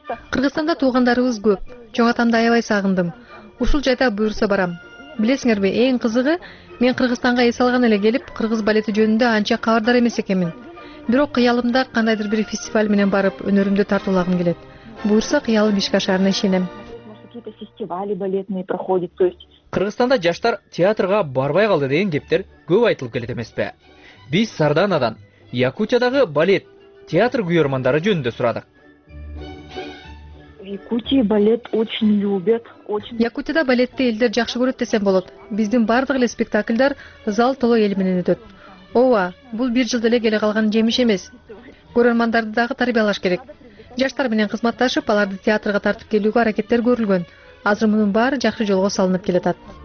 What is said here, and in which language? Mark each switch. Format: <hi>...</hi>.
<ky>Кыргызстанда туугандарыбыз көп. Чоң атамды аябай сагындым. Ушул жайда буйруса барам. Билесиңерби, эң кызыгы, мен Кыргызстанга эс алган эле келип, кыргыз балети жөнүндө анча кабардар эмес экенмин. Бирок кыялымда кандайдыр бир фестиваль менен барып, өнөрүмдү тартуулагым келет. Буйруса, кыялым Бишкек шаарына ишенем.</ky> <ru>Фестивали балетные проходят, то есть</ru> <ky>Кыргызстанда жаштар театрга барбай калды деген кептер көп айтылып келет эмеспи? Биз Сарданадан Якутиядагы балет театр күйөрмандары жөнүндө сурадык.</ky> <ru>Якутия балет очень любят, очень.</ru> <ky>Якутияда балетти элдер жакшы көрөт десем болот. Биздин бардык эле спектакльдер зал толо эл менен өтөт. Ооба, бул бир жылда эле келе калган жемиш эмес. Көрөрмандарды дагы тарбиялаш керек. Жаштар менен кызматташып, аларды театрга тартып келүүгө аракеттер көрүлгөн. Азыр мунун баары жакшы жолго салынып келатат.</ky>